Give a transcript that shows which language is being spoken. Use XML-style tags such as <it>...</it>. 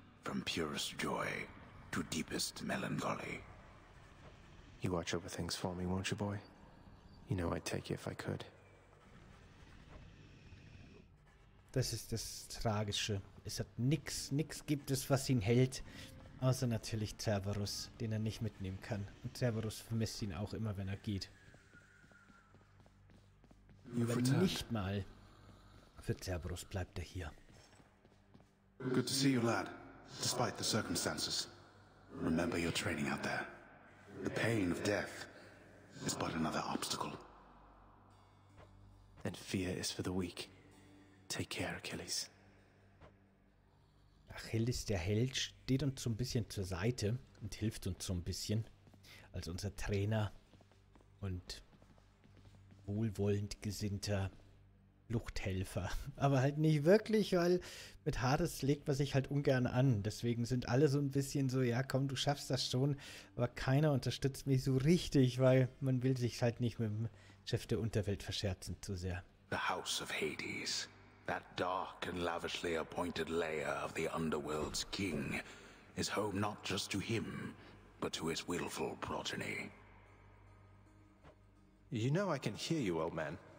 <en>From purest joy to deepest melancholy. You watch over things for me, won't you, boy? You know I'd take you if I could.</en> <de>Das ist das Tragische. Es hat nichts, nichts gibt es, was ihn hält. Außer natürlich Cerberus, den er nicht mitnehmen kann. Und Cerberus vermisst ihn auch immer, wenn er geht. Aber nicht mal für Cerberus bleibt er hier.</de> <en>Good to see you, lad. Despite the circumstances. Remember your training out there. The pain of death is but another obstacle. And fear is for the weak. Take care, Achilles.</en> <de>Achilles, der Held, steht uns so ein bisschen zur Seite und hilft uns so ein bisschen als unser Trainer und wohlwollend gesinnter Fluchthelfer. Aber halt nicht wirklich, weil mit Hades legt man sich halt ungern an. Deswegen sind alle so ein bisschen so, ja komm, du schaffst das schon. Aber keiner unterstützt mich so richtig, weil man will sich halt nicht mit dem Chef der Unterwelt verscherzen zu sehr.</de> <en>The House of Hades. That dark and lavishly appointed lair of the Underworld's King is home not just to him, but to his willful progeny. You know I can hear you, old man.</en>